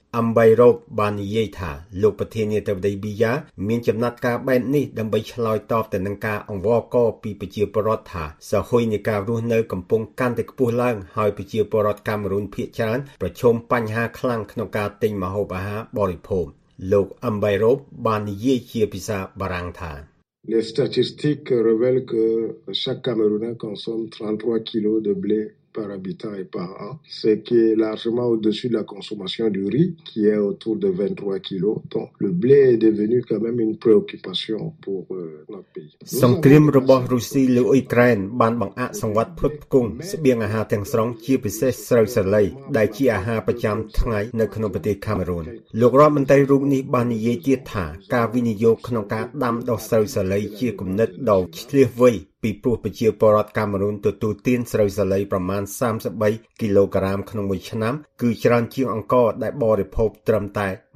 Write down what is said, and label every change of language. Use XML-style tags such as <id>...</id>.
<km>Ambayro បាននិយាយថាលោកប្រធានាធិបតីប៊ីយ៉ាមានចំណាត់ការបែបនេះដើម្បីឆ្លើយតបទៅនឹងការអង្វរករពីប្រជាពលរដ្ឋថាសហយនៃការរស់នៅកំពុងកាន់តែខ្ពស់ឡើងហើយប្រជាពលរដ្ឋកាមេរូនភាគច្រើនប្រឈមបញ្ហាខ្លាំងក្នុងការទិញម្ហូបអាហារបរិភោគលោក Ambayro បាននិយាយជាភាសាបារាំងថា</km> <fr>Les statistiques révèlent que chaque Camerounais consomme 33 kg de blé par habitant et par an, ce qui est largement au-dessus de la consommation du riz, qui est autour de 23 kg. Donc le blé est devenu quand même une préoccupation pour notre pays.</fr> <km>សង្គ្រាមរបស់រុស្ស៊ីលើអ៊ុយក្រែនបានបង្អាក់សង្វាត់ផ្គត់ផ្គង់ស្បៀងអាហារទាំងស្រុងជាពិសេសស្រូវសាលីដែលជាអាហារប្រចាំថ្ងៃនៅក្នុងប្រទេសកាមេរូនលោករដ្ឋមន្ត្រីរូបនេះបាននិយាយទៀតថាការវិនិយោគក្នុងការដាំដុះស្រូវសាលីជាគំនិតដ៏ឆ្លៀសវៃពីព្រោះប្រជាពលរដ្ឋកាមេរូនទទួលទានស្រូវសាលីប្រមាណ33គីឡូក្រាមក្នុងមួយឆ្នាំគឺច្រើនជាងអង្ករដែលបរិភោគត្រឹមតែ</km>